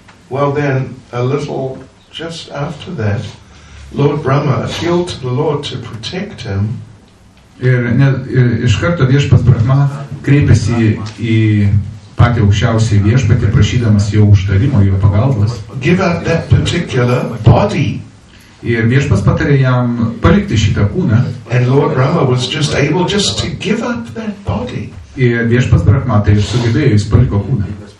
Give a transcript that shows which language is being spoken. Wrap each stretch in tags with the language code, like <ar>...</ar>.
<en>Well, then, a little just after that, Lord Brahma appealed to the Lord to protect him.</en> <lt>Iš karto viešpats Brahma kreipėsi į patį aukščiausią viešpatį, prašydamas jo užtarimo, jo pagalbos.</lt> <en>Give up that particular body.</en> <lt>Ir viešpats patarė jam palikti šitą kūną.</lt> <en>And Lord Brahma was just able just to give up that body.</en> <lt>Ir viešpats Brahma tai sugebėjo, jis paliko kūną.</lt>